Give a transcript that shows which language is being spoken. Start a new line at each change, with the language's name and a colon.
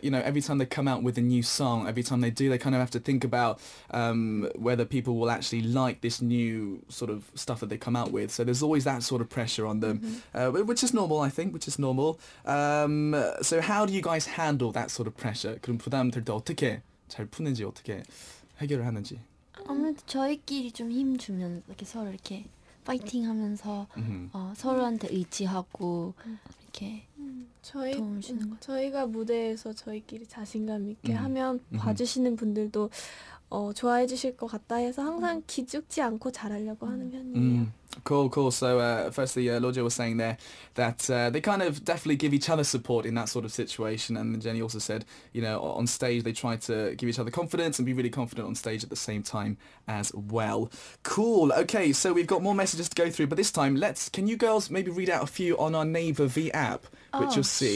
English: You know, every time they come out with a new song, every time they do, they kind of have to think about whether people will actually like this new sort of stuff that they come out with. So there's always that sort of pressure on them, which is normal, I think. Which is normal. So how do you guys handle that sort of pressure?
Korean: 그럼 부담들도 어떻게 잘 푸는지 어떻게 해결을 하는지. 아무래도 저희끼리 좀 힘 주면 이렇게 서로 이렇게 파이팅 하면서 서로한테 의지하고 이렇게 도움을 주는 것 같아요. 저희가 무대에서 저희끼리 자신감 있게 하면 봐주시는 분들도 좋아해 주실 것 같다 해서 항상 기죽지 않고 잘하려고 하는 편이에요.
English: Cool, cool. So firstly, Lorja was saying there that they kind of definitely give each other support in that sort of situation. And Jenny also said, you know, on stage, they try to give each other confidence and be really confident on stage at the same time as well. Cool. Okay, so we've got more messages to go through. But this time, can you girls maybe read out a few on our Naver V app, which you'll see.